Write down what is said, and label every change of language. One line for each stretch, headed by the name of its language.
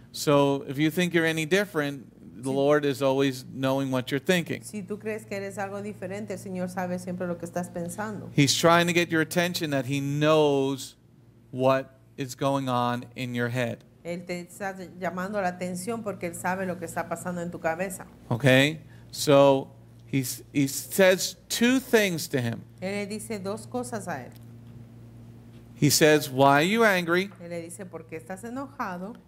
English: So if you think you're any different, the Lord is always knowing what you're thinking.
Spanish: Si tú crees que eres algo diferente, el Señor sabe siempre lo que estás pensando.
English: He's trying to get your attention that he knows what is going on in your head.
Spanish: Él te está llamando la atención porque él sabe lo que está pasando en tu cabeza.
English: Okay? So he says two things to him.
Spanish: Él le dice dos cosas a él.
English: He says, why are you angry?
Spanish: Y le dice, ¿por qué estás enojado?